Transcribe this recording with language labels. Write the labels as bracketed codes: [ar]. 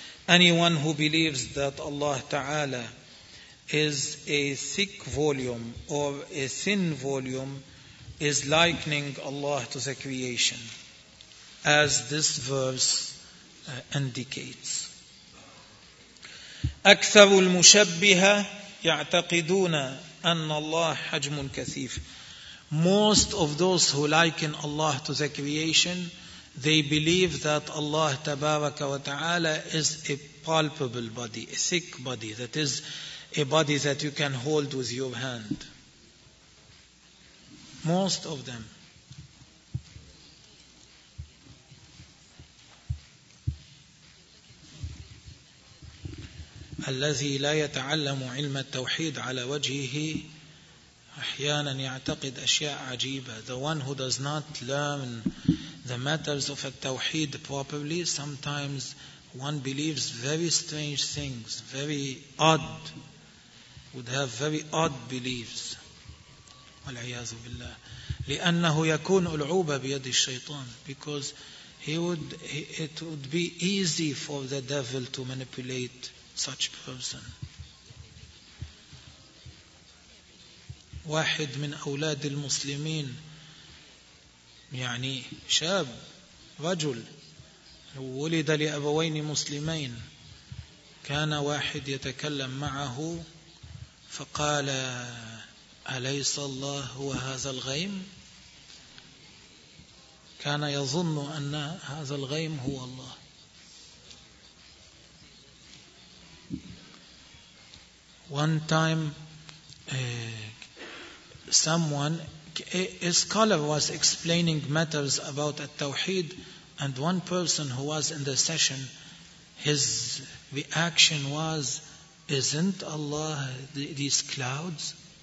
[en] Anyone who believes that Allah ta'ala is a thick volume or a thin volume is likening Allah to the creation, as this verse indicates. [ar] أكثر المشبهة يعتقدون أن الله حجم كثيف. [en] Most of those who liken Allah to the creation, they believe that Allah تبارك وتعالى is a palpable body, a thick body, that is a body that you can hold with your hand. Most of them. [ar] الذي لا يتعلم علم التوحيد على وجهه أحيانا يعتقد أشياء عجيبة. [en] The one who does not learn the matters of a tawheed properly, sometimes one believes very strange things, very odd, would have very odd beliefs. [ar] وَالْعِيَاذُ بِاللَّهِ لِأَنَّهُ يَكُونُ الْعُوبَ بِيَدِ الشَّيْطَانِ, [en] because it would be easy for the devil to manipulate such person. [ar] واحد من أولاد المسلمين يعني شاب رجل ولد لأبوين مسلمين كان واحد يتكلم معه فقال أليس الله هو هذا الغيم؟ كان يظن أن هذا الغيم هو الله. [en] One time someone, a scholar was explaining matters about at-tawheed, and one person who was in the session, his reaction was, isn't Allah these clouds?